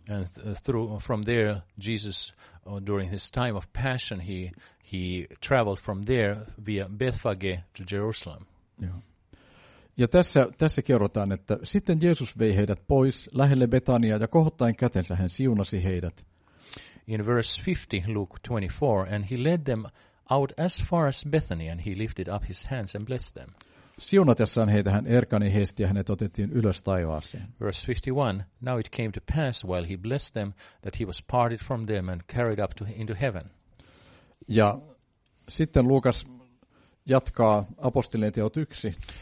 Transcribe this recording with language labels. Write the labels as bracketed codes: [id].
[en] And from there Jesus during his time of passion he traveled from there via Bethphage to Jerusalem. [fi] Ja tässä kerrotaan että sitten Jeesus vei heidät pois lähelle Betaniaa ja kohottaen kätensä hän siunasi heidät. [en] In verse 50 Luke 24 and he led them out as far as Bethany and he lifted up his hands and blessed them. [fi] Siunatessaan heitä hän erkani heistä ja hänet otettiin ylös taivaaseen. [en] Verse 51, now it came to pass while he blessed them that he was parted from them and carried up into heaven. [fi] Ja sitten Luukas jatkaa apostolien teot 1.